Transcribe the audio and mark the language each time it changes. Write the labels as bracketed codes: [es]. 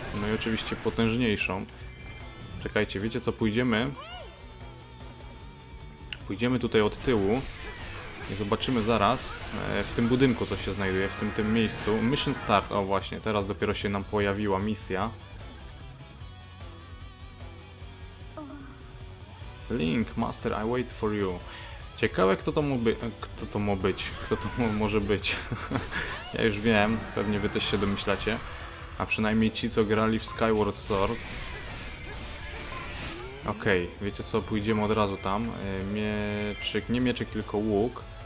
[pl] No i oczywiście potężniejszą. Czekajcie, wiecie co, pójdziemy. Pójdziemy tutaj od tyłu i zobaczymy zaraz w tym budynku, co się znajduje, w tym miejscu. [en] Mission start, [pl] o właśnie, teraz dopiero się nam pojawiła misja. [en] Link, Master, I wait for you. [pl] Ciekawe, kto to może być. Ja już wiem, pewnie wy też się domyślacie. A przynajmniej ci, co grali w Skyward Sword. Okej, wiecie co, pójdziemy od razu tam. Mieczyk, nie mieczyk, tylko łuk.